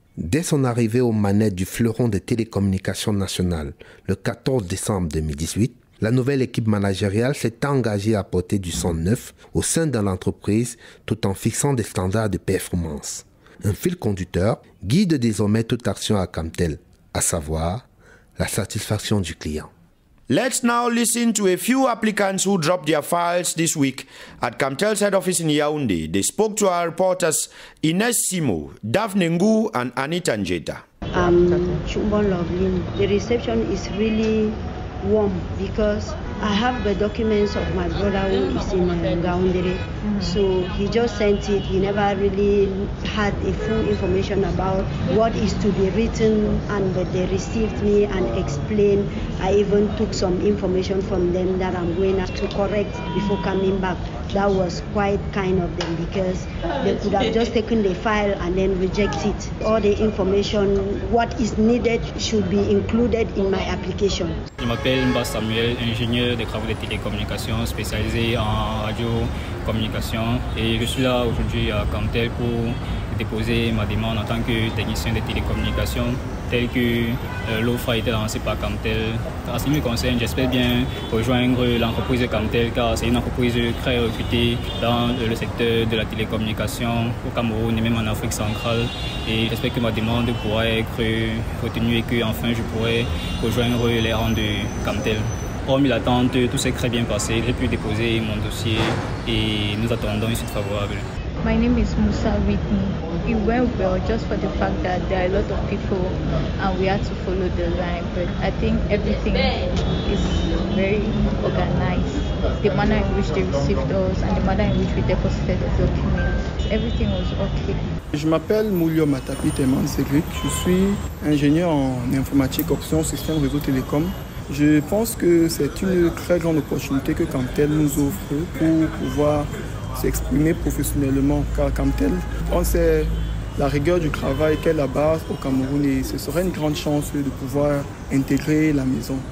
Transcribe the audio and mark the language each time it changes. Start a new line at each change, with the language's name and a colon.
French: Dès son arrivée aux manettes du fleuron des télécommunications nationales le 14 décembre 2018, la nouvelle équipe managériale s'est engagée à porter du sang neuf au sein de l'entreprise tout en fixant des standards de performance. Un fil conducteur guide désormais toute action à Camtel, à savoir la satisfaction du client.
English: Let's now listen to a few applicants who dropped their files this week at Camtel's head office in Yaoundé. They spoke to our reporters Ines Simo, Daphne Ngu, and Anita Njeta. The reception is really warm because I have the documents of my brother who is in Ngaoundere. So he just sent it. He never really had a full information about what is to be written, and but they received me and explained. I even took some information from them that I'm going to correct before coming back. That was quite kind of them because they could have just taken the file and then rejected. All the information, what is needed, should be included in my application.
French: Je m'appelle Mba Samuel, ingénieur de travaux de télécommunications spécialisé en radio communication. Et je suis là aujourd'hui à Camtel pour déposer ma demande en tant que technicien de télécommunications, tel que l'offre a été lancée par Camtel. En ce qui me concerne, j'espère bien rejoindre l'entreprise Camtel, car c'est une entreprise très réputée dans le secteur de la télécommunication au Cameroun et même en Afrique centrale. Et j'espère que ma demande pourra être retenue et que enfin je pourrai rejoindre les rangs de Camtel. Hormis l'attente, tout s'est très bien passé. J'ai pu déposer mon dossier et nous attendons une suite favorable.
English: My name is Musa Whitney. It went well just for the fact that there are a lot of people and we had to follow the line. But I think everything is very organized. The manner in which they received us and the manner in which we deposited the documents, everything was okay.
French: Je m'appelle Moulio Matapi Temansegric. Je suis ingénieur en informatique options système réseau télécom. Je pense que c'est une très grande opportunité que Camtel nous offre pour pouvoir s'exprimer professionnellement, car Camtel, on sait la rigueur du travail qu'est la base au Cameroun et ce serait une grande chance de pouvoir intégrer la maison.